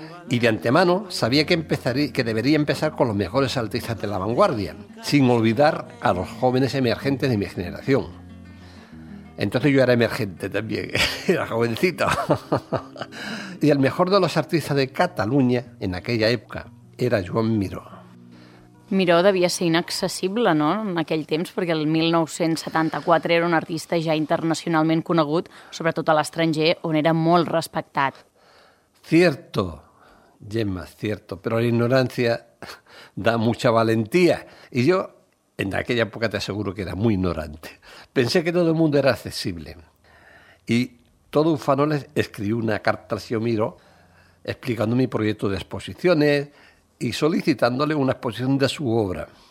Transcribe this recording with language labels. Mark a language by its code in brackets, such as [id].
[es] Y de antemano sabía que debería empezar con los mejores artistas de la vanguardia, sin olvidar a los jóvenes emergentes de mi generación. Entonces yo era emergente también, era jovencito. Y el mejor de los artistas de Cataluña en aquella época era Joan Miró. [ca] Miró devia ser inaccessible, no?, en aquell temps, perquè el 1974 era un artista ja internacionalment conegut, sobretot a l'estranger, on era molt respectat. [es] Cierto, Gemma, cierto, pero la ignorancia da mucha valentía. Y yo, en aquella época, te aseguro que era muy ignorante. Pensé que todo el mundo era accesible. Y todo ufano les escribí una carta a Miró explicando mi proyecto de exposiciones y solicitándole una exposición de su obra.